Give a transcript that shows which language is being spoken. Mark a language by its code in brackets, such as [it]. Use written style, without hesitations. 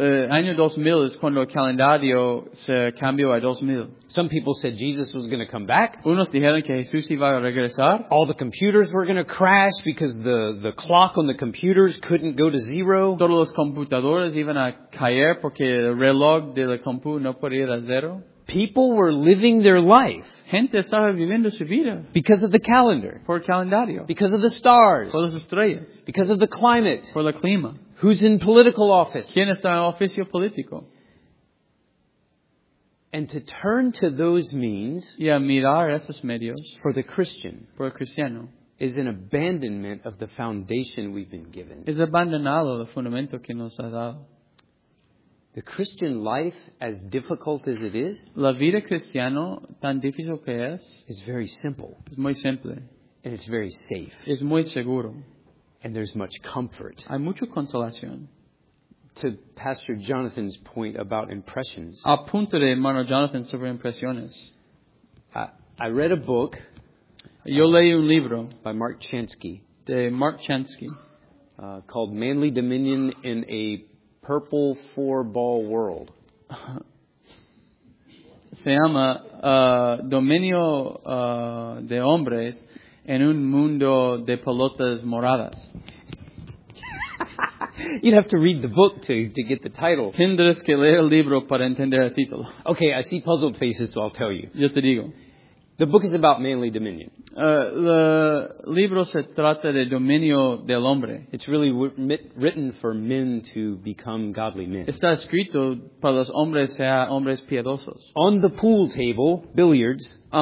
[es] Año 2000 es cuando el calendario se cambió a 2000. [en] Some people said Jesus was going to come back. [es] Unos dijeron que Jesús iba a regresar. [en] All the computers were going to crash because the clock on the computers couldn't go to zero. [es] Todos los computadores iban a caer porque el reloj de la compu no podía ir a cero. [en] People were living their life. [es] Gente estaba viviendo su vida. [en] Because of the calendar. [es] Por el calendario. [en] Because of the stars. [es] Por las estrellas. [en] Because of the climate. [es] Por el clima. [en] Who's in political office? [es] ¿Quién está en oficio político? [en] And to turn to those means, [es] yeah, mirar esos medios [en] for the Christian, [es] por el cristiano, [en] is an abandonment of the foundation we've been given. [es] Es abandonado el fundamento que nos ha dado. [en] The Christian life, as difficult as it is, [es] la vida cristiana tan difícil que es, [en] is very simple. [es] Es muy simple. [en] And it's very safe. [es] Es muy seguro. [en] And there's much comfort. [es] Hay mucha consolación. [en] To Pastor Jonathan's point about impressions. [es] A punto de hermano Jonathan sobre impresiones. [en] I read a book. [es] Yo leí un libro. [en] By Mark Chansky. [es] De Mark Chansky. [en] Called Manly Dominion in a Purple Four-Ball World. [es] Se llama Dominio de Hombres. En un mundo de pelotas moradas. [en] You'd have to read the book to get the title. [es] Tendrás que leer el libro para entender el título. [en] Okay, I see puzzled faces, so I'll tell you. [es] Yo te digo. [en] The book is about Manly Dominion. [es] El libro se trata de dominio del hombre. [en] It's really written for men to become godly men. [es] Está escrito para los hombres sea hombres piadosos. [en] On the pool table, billiards.